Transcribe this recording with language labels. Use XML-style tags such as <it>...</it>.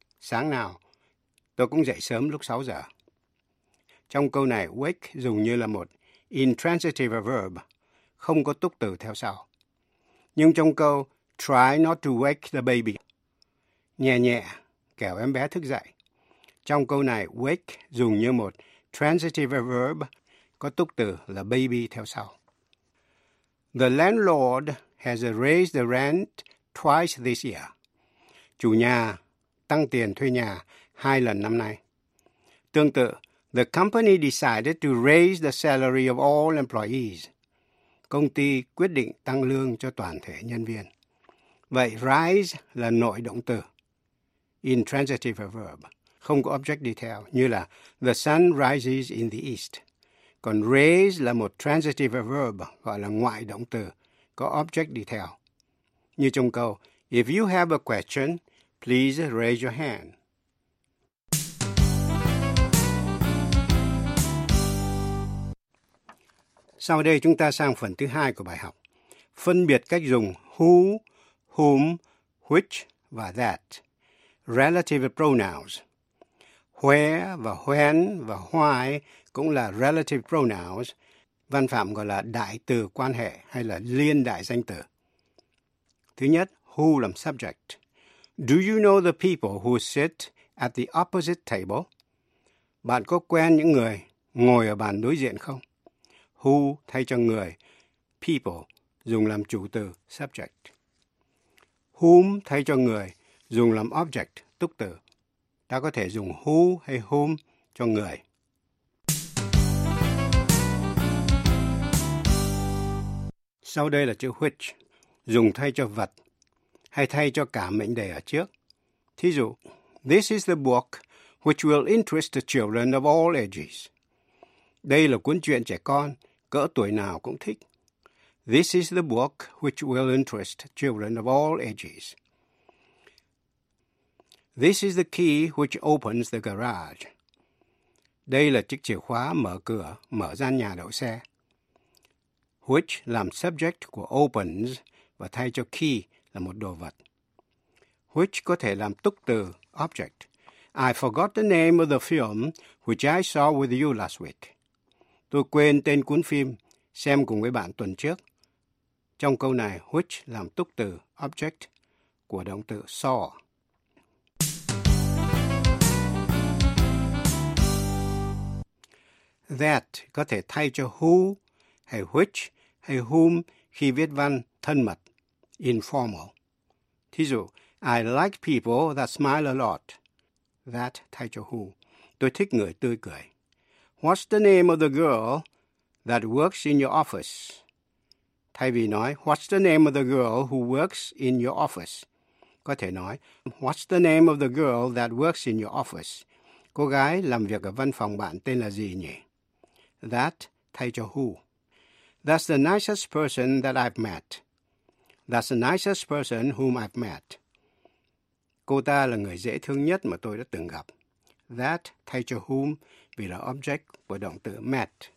<vi>Sáng nào, tôi cũng dậy sớm lúc 6 giờ. Trong câu này, wake dùng như là một intransitive verb, không có túc từ theo sau. Nhưng trong câu,</vi> <en>try not to wake the baby,</en> <vi>nhẹ nhẹ, kẻo em bé thức dậy. Trong câu này, wake dùng như một transitive verb, có túc từ là baby theo sau.</vi> <en>The landlord has raised the rent twice this year.</en> <vi>Chủ nhà tăng tiền thuê nhà hai lần năm nay. Tương tự,</vi> <en>the company decided to raise the salary of all employees.</en> <vi>Công ty quyết định tăng lương cho toàn thể nhân viên. Vậy, rise là nội động từ, intransitive verb. Không có</vi> <en>object detail,</en> <vi>như là</vi> <en>the sun rises in the east.</en> <vi>Còn raise là một transitive verb, gọi là ngoại động từ, có object detail. Như trong câu,</vi> <en>if you have a question, please raise your hand.</en> <vi>Sau đây chúng ta sang phần thứ hai của bài học. Phân biệt cách dùng who, whom, which và that. Relative pronouns. Where và when và why cũng là relative pronouns, văn phạm gọi là đại từ quan hệ hay là liên đại danh từ. Thứ nhất, who làm subject.</vi> <en>Do you know the people who sit at the opposite table?</en> <vi>Bạn có quen những người ngồi ở bàn đối diện không? Who thay cho người, people, dùng làm chủ từ, subject. Whom thay cho người, dùng làm object, túc từ. Ta có thể dùng who hay whom cho người. Sau đây là chữ which, dùng thay cho vật, hay thay cho cả mệnh đề ở trước. Thí dụ,</vi> <en>this is the book which will interest the children of all ages.</en> <vi>Đây là cuốn truyện trẻ con, cỡ tuổi nào cũng thích.</vi> <en>This is the book which will interest children of all ages. This is the key which opens the garage.</en> <vi>Đây là chiếc chìa khóa mở cửa, mở gian nhà đậu xe. Which làm subject của opens và thay cho key là một đồ vật. Which có thể làm túc từ, object.</vi> <en>I forgot the name of the film which I saw with you last week.</en> <vi>Tôi quên tên cuốn phim xem cùng với bạn tuần trước. Trong câu này, which làm túc từ, object của động từ saw. That có thể thay cho who hay which hay whom khi viết văn thân mật, informal. Thí dụ,</vi> <en>I like people that smile a lot.</en> <vi>That thay cho who. Tôi thích người tươi cười.</vi> <en>What's the name of the girl that works in your office?</en> <vi>Thay vì nói,</vi> <en>what's the name of the girl who works in your office?</en> <vi>Có thể nói,</vi> <en>what's the name of the girl that works in your office?</en> <vi>Cô gái làm việc ở văn phòng bạn tên là gì nhỉ? That thay cho who.</vi> <en>That's the nicest person that I've met. That's the nicest person whom I've met.</en> <vi>Cô ta là người dễ thương nhất mà tôi đã từng gặp. That thay cho whom vì là object của động từ met.</vi>